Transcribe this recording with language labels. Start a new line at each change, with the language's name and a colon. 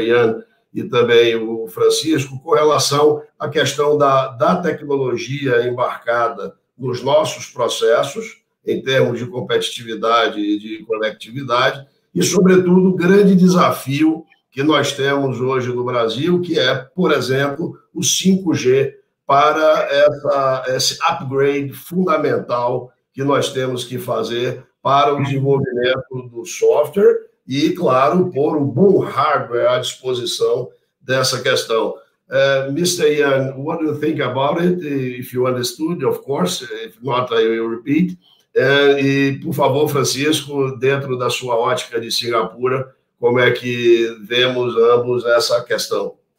Portuguese: Yan e também o Francisco, com relação à questão da tecnologia embarcada nos nossos processos, em termos de competitividade e de conectividade, e, sobretudo, o grande desafio que nós temos hoje no Brasil, que é, por exemplo, o 5G, para esse upgrade fundamental que nós temos que fazer para o desenvolvimento do software e, claro, pôr um bom hardware à disposição dessa questão.
English: Mr. Yan, what do you think about it? If you understood, of course. If not, I will repeat.
Portuguese: E, por favor, Francisco, dentro da sua ótica de Singapura, como é que vemos ambos essa questão?